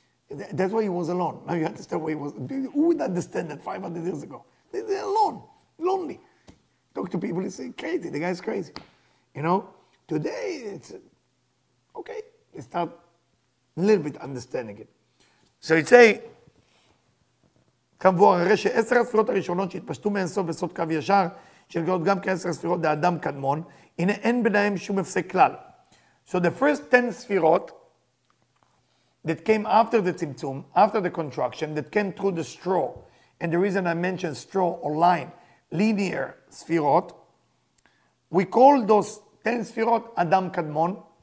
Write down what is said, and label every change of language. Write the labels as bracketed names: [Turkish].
[English] That's why he was alone. Now you understand why he was... Who would understand that 500 years ago? They're alone, lonely. Talk to people, they say, crazy, the guy's crazy. You know, today it's okay. They start a little bit understanding it. [Hebrew] So it say, כמבוא הרי שעשר הספירות הראשונות שהתפשטו מאינסוף בסוד קו ישר, שנקראות גם כעשר ספירות דאדם קדמון, הנה אין ביניהם שום הפסק כלל. [English] So the first 10 ספירות that came after the צמצום, after the contraction, that came through the straw, and the reason I mentioned straw or line, linear ספירות, we call those 10 ספירות אדם קדמון,